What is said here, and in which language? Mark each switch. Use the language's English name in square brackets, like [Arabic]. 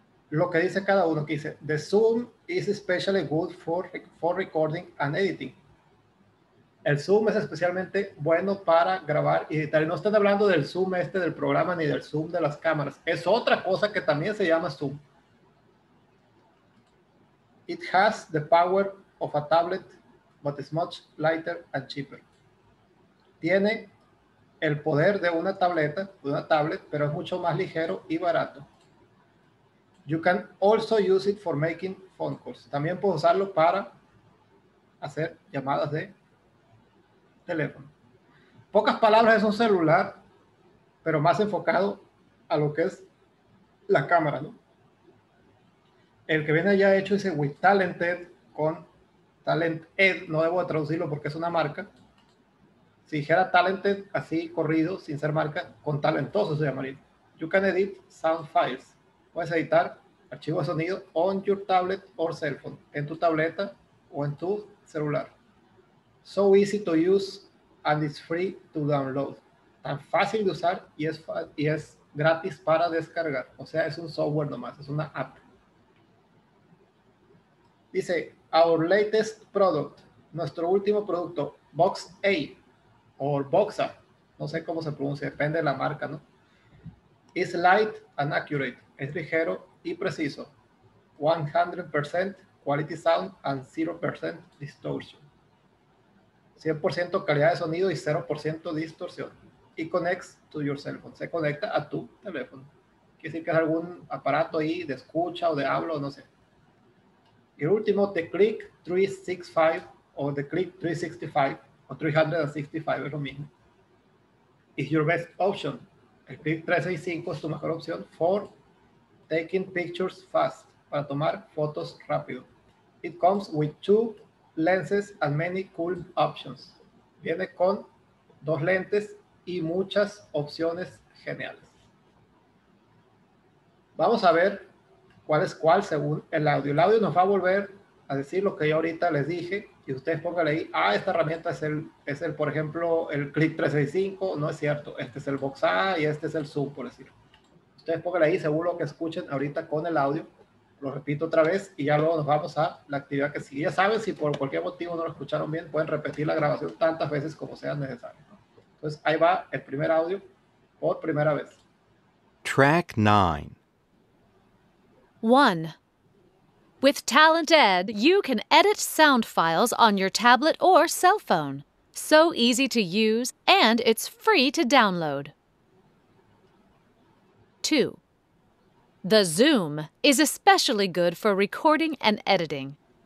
[Spanish] Lo que dice cada uno, aquí dice [English] The Zoom is especially good for recording and editing. [Spanish] El Zoom es especialmente bueno para grabar y editar. No están hablando del Zoom este del programa ni del Zoom de las cámaras. Es otra cosa que también se llama Zoom. [English] It has the power of a tablet, but it's much lighter and cheaper. [Spanish] Tiene el poder de una tableta, de una tablet, pero es mucho más ligero y barato. [English] You can also use it for making phone calls. [Spanish] También puedo usarlo para hacer llamadas de teléfono. Pocas palabras, es un celular, pero más enfocado a lo que es la cámara, ¿no? El que viene ya hecho dice With Talented con Talent Ed, no debo de traducirlo porque es una marca. Si dijera Talented así corrido, sin ser marca, con talentoso se llamaría. [English] You can edit sound files. [Spanish] Puedes editar archivos de sonido [English] on your tablet or cell phone, [Spanish] en tu tableta o en tu celular. [English] So easy to use and it's free to download. [Spanish] Tan fácil de usar y es gratis para descargar. O sea, es un software nomás, es una app. Dice, [English] our latest product, [Spanish] nuestro último producto, Box A o Boxa, no sé cómo se pronuncia, depende de la marca, ¿no? [English] Is light and accurate, [Spanish] es ligero y preciso. [English] 100% quality sound and 0% distortion. [Spanish] 100% calidad de sonido y 0% distorsión. [English] It connects to your cell phone. [Spanish] Se conecta a tu teléfono. Quiere decir que es algún aparato ahí de escucha o de hablo, no sé. Y el último, The Click 365 o The Click 365 o 365 es lo mismo. [English] Is your best option. [Spanish] El Click 365 es tu mejor opción [English] for taking pictures fast, [Spanish] para tomar fotos rápido. [English] It comes with two lenses and many cool options. [Spanish] Viene con dos lentes y muchas opciones geniales. Vamos a ver cuál es cuál según el audio. El audio nos va a volver a decir lo que yo ahorita les dije y ustedes pónganle ahí, ah, esta herramienta es el, por ejemplo, el Click 365, no es cierto, este es el Box A y este es el Zoom, por decirlo. Ustedes pónganle ahí según lo que escuchen ahorita con el audio. Lo repito otra vez y ya luego nos vamos a la actividad que sigue. Ya saben, si por cualquier motivo no lo escucharon bien, pueden repetir la grabación tantas veces como sea necesario, ¿no? Entonces, ahí va el primer audio por primera vez. [English] Track 9. 1. With Talent Ed, you can edit sound files on your tablet or cell phone. So easy to use, and it's free to download. 2. The Zoom is especially good for recording and editing.